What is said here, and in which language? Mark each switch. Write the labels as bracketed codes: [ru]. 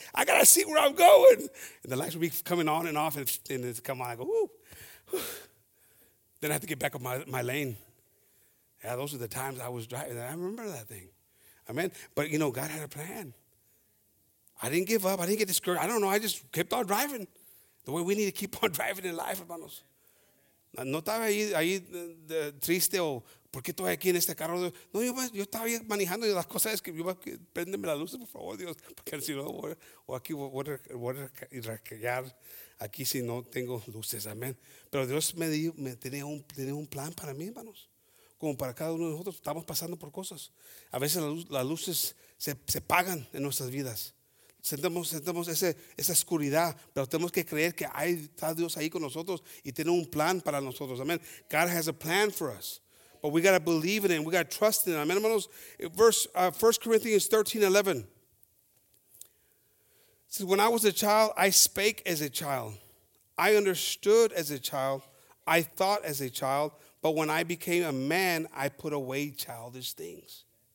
[en] I got to see where I'm going. And the lights would be coming on and off and it's come on. I go, whoo. Then I have to get back up my lane. Yeah, those are the times I was driving. I remember that thing. Amen. But, you know, God had a plan. I didn't give up. I didn't get discouraged. I don't know. I just kept on driving the way we need to keep on driving in life, hermanos. [es] No estaba ahí triste o por qué estoy aquí en este carro. No, yo estaba ahí manejando y las cosas es que yo voy a prenderme las luces, por favor, Dios. Porque si no, voy a recallar aquí si no tengo luces. Amén. Pero Dios me tenía un plan para mí, hermanos. Como para cada uno de nosotros, estamos pasando por cosas. A veces las luces se apagan en nuestras vidas. Sentamos esa oscuridad, pero tenemos que creer que hay, está Dios ahí con nosotros y tiene un plan para nosotros. [en] Amen. God has a plan for us. But we got to believe in it and we got to trust in it. Amen, hermanos. First Corinthians 13:11. It says, when I was a child, I spake as a child. I understood as a child. I thought as a child. But when I became a man, I put away childish things.